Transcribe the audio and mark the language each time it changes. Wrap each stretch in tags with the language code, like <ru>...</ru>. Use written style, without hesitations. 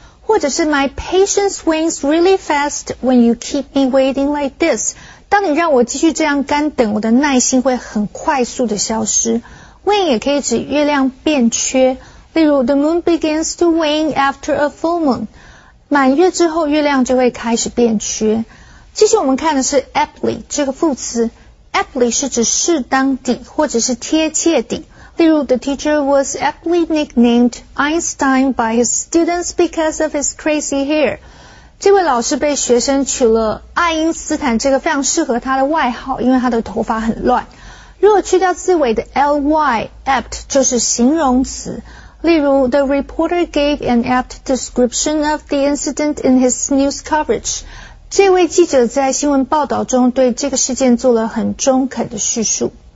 <en>或者是 My patience wanes really fast when you keep me waiting like this.</en> <zh>当你让我继续这样干等，我的耐心会很快速的消失。</zh> <en>wane 也可以指月亮变缺。例如 ,the moon begins to wane after a full moon.</en> <zh>满月之后月亮就会开始变缺。接下我们看的是 aptly, 这个副词。aptly 是指适当地或者是贴切地。</zh> <en>例如 ,the teacher was aptly nicknamed Einstein by his students because of his crazy hair.</en> <zh>这位老师被学生取了爱因斯坦这个非常适合他的外号，因为他的头发很乱。如果去掉字尾的 ly, apt 就是形容词。</zh> <en>例如 ,the reporter gave an apt description of the incident in his news coverage.</en> <zh>这位记者在新闻报道中对这个事件做了很中肯的叙述。</zh>